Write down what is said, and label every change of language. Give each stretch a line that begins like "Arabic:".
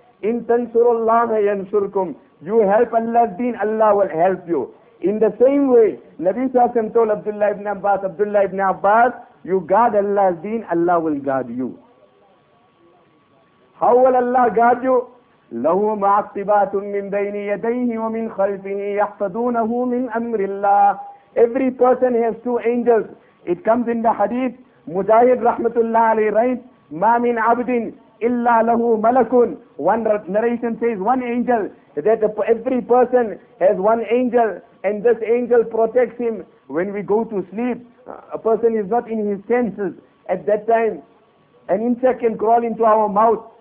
Arabic: إِن تَنْصُرُ اللَّهَ يَنْصُرْكُمْ,
English: you help Allah's deen, Allah will help you. In the same way, Nabi Sassim told Abdullah ibn Abbas, Abdullah ibn Abbas, you guard Allah's deen, Allah will guard you. How will Allah guard you?
Arabic: لَهُ مَعْقِبَاتٌ مِّن بَيْنِ يَدَيْهِ وَمِنْ خَلْفِهِ يَحْفَدُونَهُ مِنْ أَمْرِ اللَّهِ,
English: every person has two angels. It comes in the hadith, Mujahid rahmatullah alayhi writes,
Arabic: مَا مِنْ عَبْدٍ إِلَّا لَهُ مَلَكٌ,
English: one narration says one angel, that every person has one angel and this angel protects him when we go to sleep. A person is not in his senses at that time. An insect can crawl into our mouth.